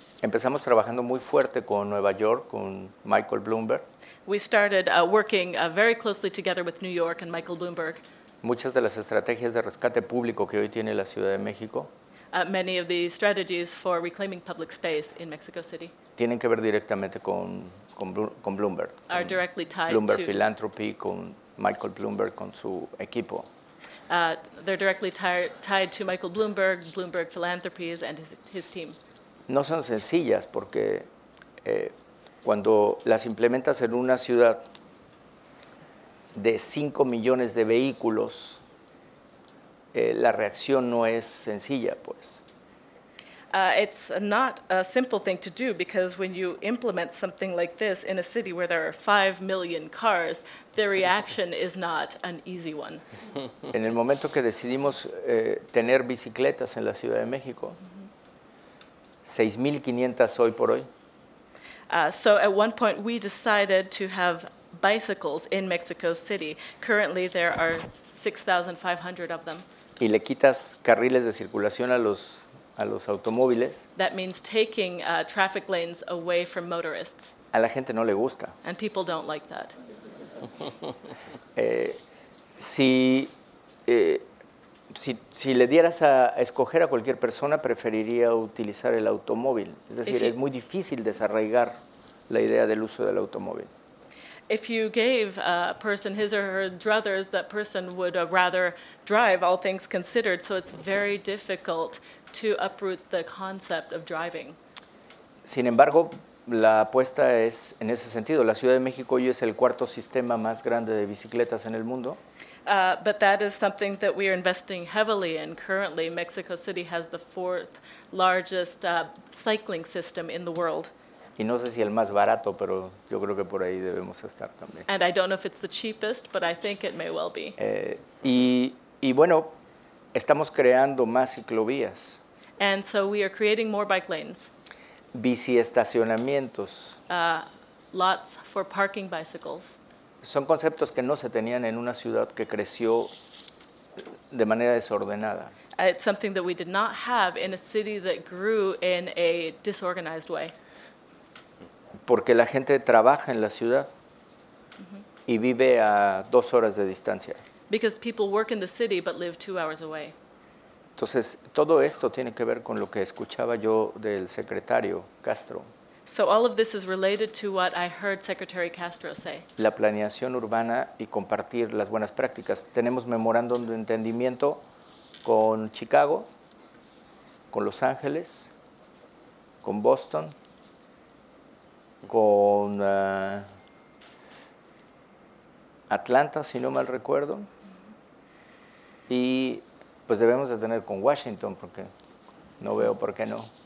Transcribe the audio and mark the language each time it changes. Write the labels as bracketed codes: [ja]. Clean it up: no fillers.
[es] Empezamos trabajando muy fuerte con Nueva York, con Michael Bloomberg. [en] We started working very closely together with New York and Michael Bloomberg. [es] Muchas de las estrategias de rescate público que hoy tiene la Ciudad de México. [en] many of the strategies for reclaiming public space in Mexico City. [es] Tienen que ver directamente con Bloomberg. [en] Are directly tied Bloomberg to [es] Philanthropy, con Michael Bloomberg, con su equipo. [en] They're directly tied to Michael Bloomberg, Bloomberg Philanthropies, and his team. [es] No son sencillas porque cuando las implementas en una ciudad de 5 millones de vehículos, la reacción no es sencilla, pues. [en] It's not a simple thing to do because when you implement something like this in a city where there are 5 million cars, the reaction is not an easy one. [es] En el momento que decidimos tener bicicletas en la Ciudad de México, 6,500 hoy por hoy. [en] So at one point we decided to have bicycles in Mexico City. Currently there are 6,500 of them. [es] Y le quitas carriles de circulación a los automóviles. [en] That means taking traffic lanes away from motorists. [es] A la gente no le gusta. [en] And people don't like that. [es] Si le dieras a escoger a cualquier persona, preferiría utilizar el automóvil. Es decir, es muy difícil desarraigar la idea del uso del automóvil. [en] If you gave a person his or her druthers, that person would rather drive, all things considered. So it's very difficult to uproot the concept of driving. [es] Sin embargo, la apuesta es en ese sentido. La Ciudad de México hoy es el cuarto sistema más grande de bicicletas en el mundo. [en] But that is something that we are investing heavily in. Currently, Mexico City has the fourth largest cycling system in the world. Y no sé si el más barato, pero yo creo que por ahí debemos estar también. And I don't know if it's the cheapest, but I think it may well be. [es] Y bueno, estamos creando más ciclovías. [en] And so we are creating more bike lanes. [es] Biciestacionamientos. [en] Lots for parking bicycles. [es] Son conceptos que no se tenían en una ciudad que creció de manera desordenada. [en] It's something that we did not have in a city that grew in a disorganized way. [es] Porque la gente trabaja en la ciudad y vive a 2 horas de distancia. [en] Because people work in the city but live 2 hours away. [es] Entonces, todo esto tiene que ver con lo que escuchaba yo del secretario Castro. [en] So all of this is related to what I heard Secretary Castro say. [es] La planeación urbana y compartir las buenas prácticas. Tenemos memorándum de entendimiento con Chicago, con Los Ángeles, con Boston, con Atlanta, si no mal recuerdo, y pues debemos de tener con Washington, porque no veo por qué no.